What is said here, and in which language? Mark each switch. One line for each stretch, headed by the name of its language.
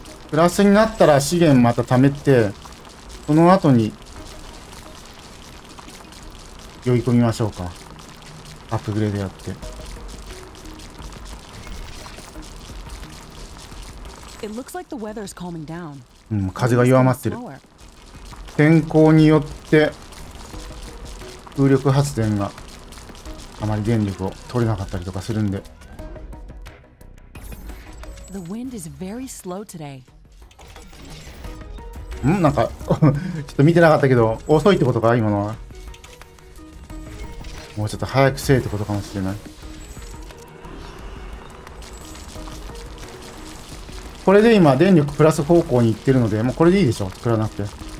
Japanese: プラスになったら資源また貯めて、その後に、酔い込みましょうか。アップグレードやって。
English: It looks like the weather's calming down.
Japanese: 風が弱まってる。天候によって、風力発電があまり電力を取れなかったりとかするんで。
English: The wind is very slow today.
Japanese: なんか、ちょっと見てなかったけど、遅いってことか今のは。もうちょっと早くせえってことかもしれない。これで今、電力プラス方向に行ってるので、もうこれでいいでしょ作らなくて。